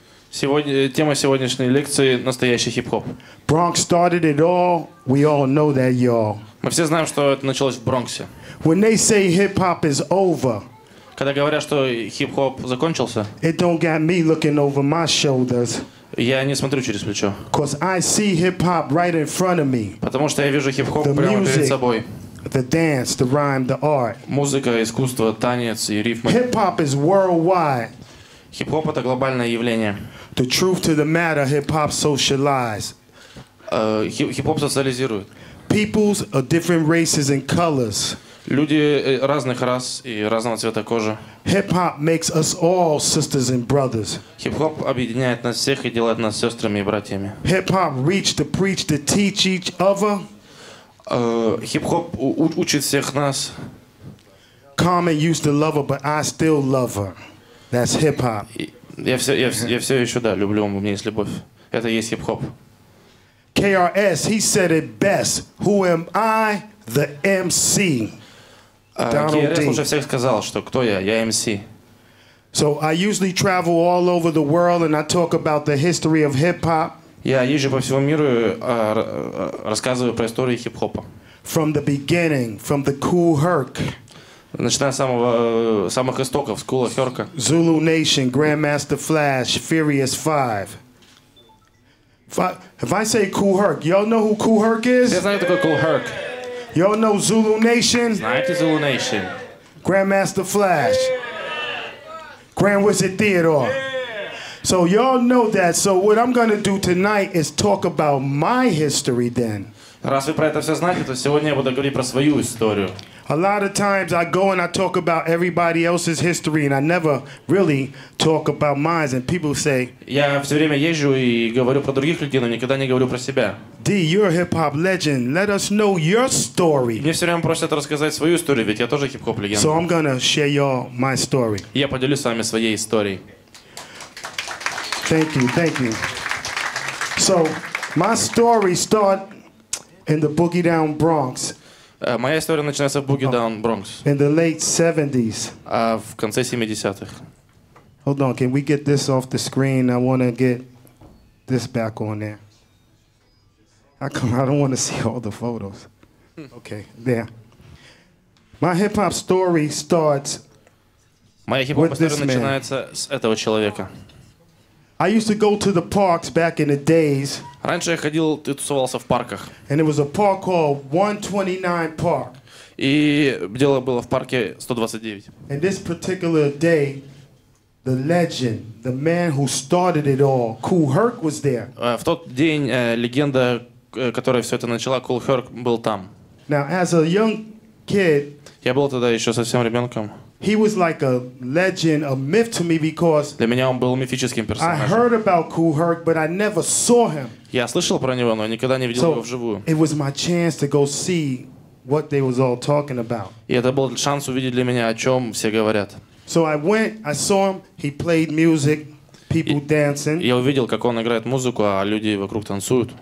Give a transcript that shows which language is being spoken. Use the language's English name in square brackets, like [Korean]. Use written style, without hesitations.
[Russian] Сегодня, тема сегодняшней лекции – настоящий хип-хоп. [English] Bronx started it all. We all know that, y'all. [Russian] Мы все знаем, что это началось в Бронксе. [English] When they say hip-hop is over, [Russian] когда говорят, что хип-хоп закончился, [English] it don't got me looking over my shoulders. [Russian] Я не смотрю через плечо. [English] Cause I see hip-hop right in front of me. [Russian] Потому что я вижу хип-хоп прямо перед собой. [English] The dance, the rhyme, the art. [Russian] Музыка, искусство, танец и рифмы. [English] Hip-hop is worldwide. [Russian] Хип-хоп — это глобальное явление. [English] The truth to the matter, hip-hop socialized. [Russian] Хип-хоп социализирует. [English] Peoples of different races and colors. [Russian] Люди разных рас и разного цвета кожи. [English] Hip-hop makes us all sisters and brothers. [Russian] Хип-хоп объединяет нас всех и делает нас сестрами и братьями. [English] Hip-hop reach to preach to teach each other. [Russian] Хип-хоп учит всех нас. [English] Common used to love her, but I still love her. That's hip-hop. [Russian] Я все еще, да, люблю, у меня есть любовь. Это есть хип-хоп. [English] KRS, he said it best. Who am I? The MC. [Russian] KRS уже всех сказал, что кто я? Я MC. [English] So I usually travel all over the world and I talk about the history of hip-hop. [Russian] Я езжу по всему миру, рассказываю про историю хип-хопа. [English] From the beginning, from the Kool Herc. [Russian] Начиная с самых истоков, с Кула Херка. [English] Zulu Nation, Grandmaster Flash, Furious Five. If I say Kool Herc, y'all know who Kool Herc is? [Russian] Все знают, кто Kool Herc. [English] Y'all know Zulu Nation? [Russian] Знаете Zulu Nation? [English] Grandmaster Flash. Grand Wizard Theodore. So y'all know that. So what I'm gonna do tonight is talk about my history then. [Russian] Раз вы про это все знаете, то сегодня я буду говорить про свою историю. [English] A lot of times I go and I talk about everybody else's history and I never really talk about mine. And people say, [Russian] я все время езжу и говорю про других людей, но никогда не говорю про себя. [English] D, you're a hip-hop legend. Let us know your story. [Russian] Мне все время просят рассказать свою историю, ведь я тоже хип-хоп легенда. [English] So I'm gonna share y'all my story. [Russian] Я поделюсь с вами своей историей. [English] Thank you, thank you. So, my story start in the Boogie Down Bronx. [Russian] Моя история начинается в Boogie Down Bronx. [English] In the late 70s. [Russian] В конце 70-х. [English] Hold on, can we get this off the screen? I want to get this back on there. I don't want to see all the photos. Okay, there. My hip-hop story starts with this man. [Russian] Моя хип-хоп история начинается с этого человека. [English] I used to go to the parks back in the days. [Russian] Раньше я ходил и тусовался в парках. [English] And it was a park called 129 Park. [Russian] И дело было в парке 129. [English] And this particular day, the legend, the man who started it all, Kool Herc was there. [Russian] В тот день легенда, которая все это начала, Kool Herc был там. [English] Now, as a young kid, [Russian] я был тогда еще совсем ребенком. [English] He was like a legend, a myth to me because [Russian] для меня он был мифическим персонажем. [English] I heard about Kool Herc, but I never saw him. [Russian] Я слышал про него, но никогда не видел его вживую. [English] It was my chance to go see what they was all talking about. [Russian] И это был шанс увидеть для меня, о чем все говорят. [English] So I went, I saw him, he played music, people dancing. [Russian] Я увидел, как он играет музыку, а люди вокруг танцуют.